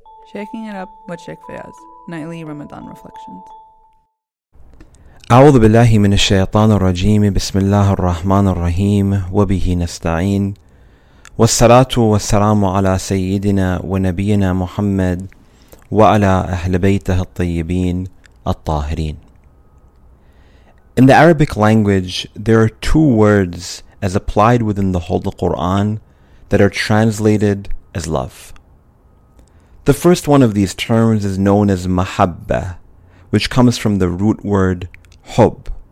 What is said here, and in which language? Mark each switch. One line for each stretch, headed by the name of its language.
English: Shaking it up with Sheikh Fayaz, nightly Ramadan reflections.
Arabic: أعوذ بالله من الشيطان الرجيم بسم الله الرحمن الرحيم وبه نستعين والصلاة والسلام على سيدنا ونبينا محمد وعلى أهل بيته الطيبين الطاهرين.
English: In the Arabic language, there are two words as applied within the whole Quran that are translated as love. The first one of these terms is known as mahabba, which comes from the root word hub.